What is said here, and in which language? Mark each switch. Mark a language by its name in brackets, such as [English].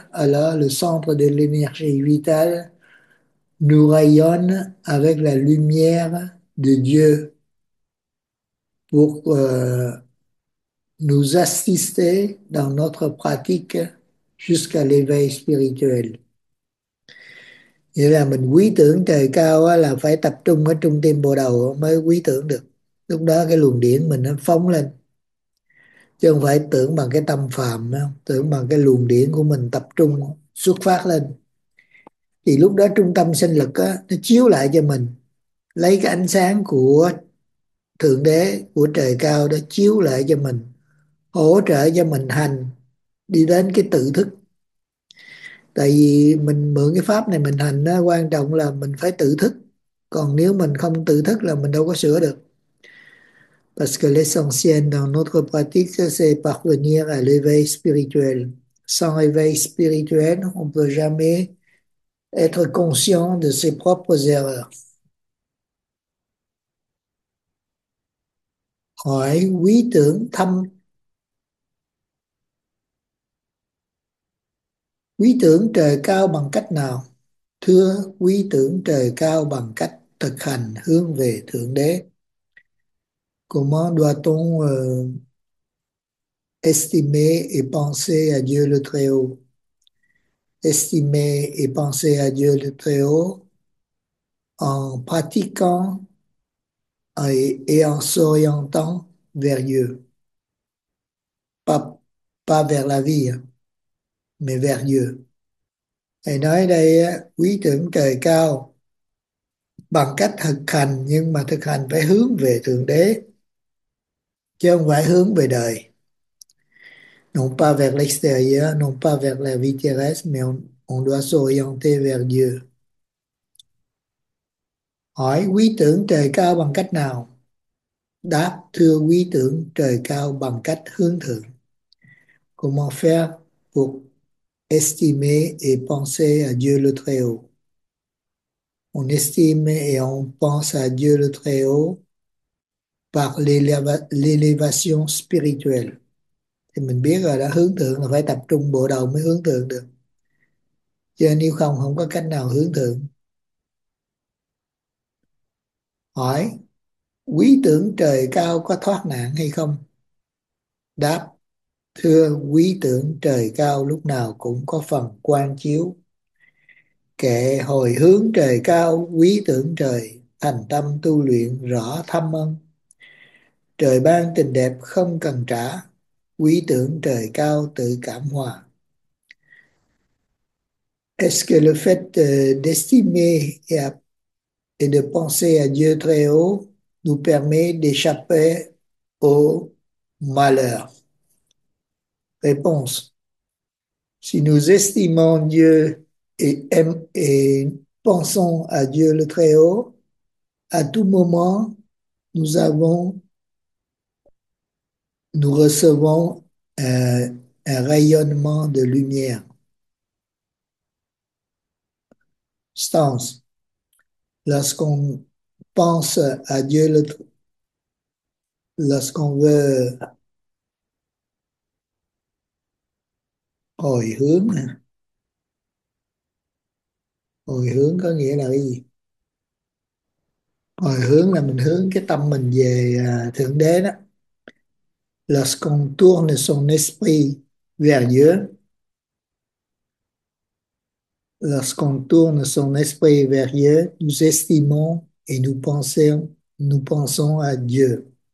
[French] Alors, le centre de l'énergie vitale nous rayonne avec la lumière de Dieu pour nous assister dans notre pratique jusqu'à l'éveil spirituel. [Vietnamese] Nghĩa là mình quý tưởng trời cao á, là phải tập trung ở trung tâm bộ đầu mới quý tưởng được. Lúc đó cái luồng điển mình nó phóng lên. Chứ không phải tưởng bằng cái tâm phàm, không? Tưởng bằng cái luồng điển của mình tập trung xuất phát lên. Thì lúc đó trung tâm sinh lực á, nó chiếu lại cho mình. Lấy cái ánh sáng của Thượng Đế, của trời cao đó chiếu lại cho mình. Hỗ trợ cho mình hành đi đến cái tự thức. Tại vì mình mượn cái pháp này mình hành nó quan trọng là mình phải tự thức. Còn nếu mình không tự thức là mình đâu có sửa được. [French] Parce que l'essentiel dans notre pratique, c'est parvenir à l'éveil spirituel. Sans éveil spirituel, on ne peut jamais être conscient de ses propres erreurs. [Vietnamese] Hỏi quý tưởng thâm. Quý tưởng trời cao bằng cách nào? Thưa, quý tưởng trời cao bằng cách thực hành hướng về Thượng Đế. [French] Comment doit-on estimer et penser à Dieu le Très-Haut? Estimer et penser à Dieu le Très-Haut en pratiquant et en s'orientant vers Dieu. Pas vers la vie, mais vers Dieu. [Vietnamese] Thầy nói đây, quý tưởng trời cao bằng cách thực hành, nhưng mà thực hành phải hướng về Thượng Đế, chứ không phải hướng về đời. [French] Non pas vers l'extérieur, non pas vers la vie terrestre, mais on doit s'orienter vers Dieu. [Vietnamese] Hỏi quý tưởng trời cao bằng cách nào? Đáp: Thưa, quý tưởng trời cao bằng cách hướng thượng. [French] Comment faire pour estimer et penser à Dieu le Très-Haut? On estime et on pense à Dieu le Très-Haut par l'élévation spirituelle. [Vietnamese] Thì mình biết rồi, đã hướng thượng là phải tập trung bộ đầu mới hướng thượng được. Chứ nếu không, không có cách nào hướng thượng. Hỏi: Quý tưởng trời cao có thoát nạn hay không? Đáp: Thưa, quý tưởng trời cao lúc nào cũng có phần quang chiếu. Kệ hồi hướng trời cao, quý tưởng trời thành tâm tu luyện rõ thâm ân. Trời ban tình đẹp không cần trả, quý tưởng trời cao tự cảm hòa. [French] Est-ce que le fait d'estimer et de penser à Dieu très haut nous permet d'échapper au malheur? Réponse: Si nous estimons Dieu et pensons à Dieu le Très-Haut, à tout moment, nous recevons un rayonnement de lumière. Stance: Lorsqu'on pense à Dieu le Très-Haut, lorsqu'on veut [Vietnamese] hồi hướng có nghĩa là cái gì? Hồi hướng là mình hướng cái tâm mình về Thượng Đế đó. [French] Lorsqu'on tourne son esprit vers Dieu. Lorsqu'on tourne son esprit vers Dieu, nous estimons et nous pensons à Dieu.